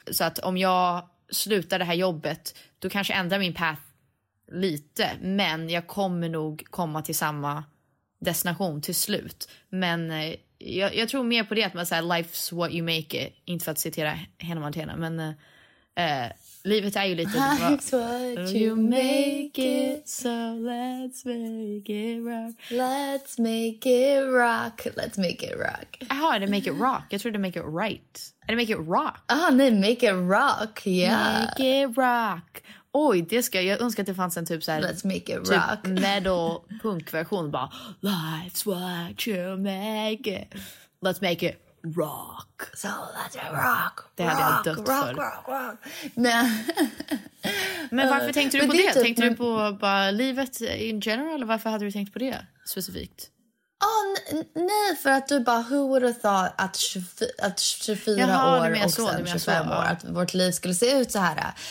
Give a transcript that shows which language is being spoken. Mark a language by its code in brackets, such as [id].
[sv] Så att om jag slutar det här jobbet, då kanske ändrar min path lite. Men jag kommer nog komma till samma destination till slut. Men jag tror mer på det att man säger [en] life's what you make it. [sv] Inte för att citera Hannah Montana, men livet är ju lite... [en] Life's what you make it, so let's make it rock. Let's make it rock, let's make it rock. [sv] Jaha, är det [en] make it rock? [sv] Jag tror det är [en] make it right. [sv] Är det [en] make it rock? Ah, oh, [sv] nej, [en] make it rock, yeah. Make it rock. [sv] Oj, det ska jag önskar att det fanns en typ såhär... [en] Let's make it rock. [sv] Typ metal-punk-version, bara... [en] Life's what you make it, let's make it rock. So that's rock. [sv] Det rock, [en] rock, rock, rock. [sv] Men, men varför tänkte du på det? Typ, tänkte du på bara livet [en] in general? [sv] Eller varför hade du tänkt på det specifikt? Oh, nej, för att du bara, [en] who would have thought [sv] att 24 jaha, år och så, sen 25 så, år att vårt liv skulle se ut så här.